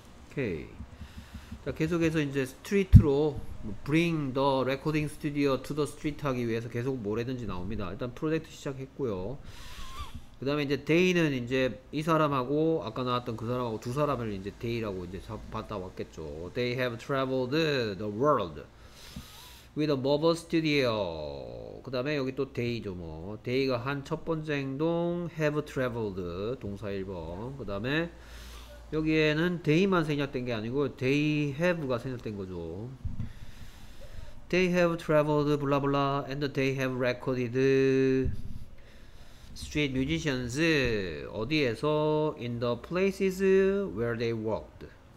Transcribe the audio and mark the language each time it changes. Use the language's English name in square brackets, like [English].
[Korean] 오케이. 자, 계속해서 이제 스트리트로 [English] Bring the recording studio to the street [Korean] 하기 위해서 계속 뭘 했는지 나옵니다. 일단 프로젝트 시작했고요. 그 다음에 이제 데이는 이제 이 사람하고 아까 나왔던 그 사람하고 두 사람을 이제 데이라고 이제 봤다 왔겠죠. [English] They have traveled the world with a mobile studio. [Korean] 그 다음에 여기 또 데이죠 뭐. 데이가 한첫 번째 행동 have traveled 동사 1번. 그 다음에 여기에는 데이만 생략된 게 아니고 데이 have가 생략된 거죠. [English] They have traveled, blah blah, and they have recorded street musicians [Korean] 어디에서 [English] in the places where they worked.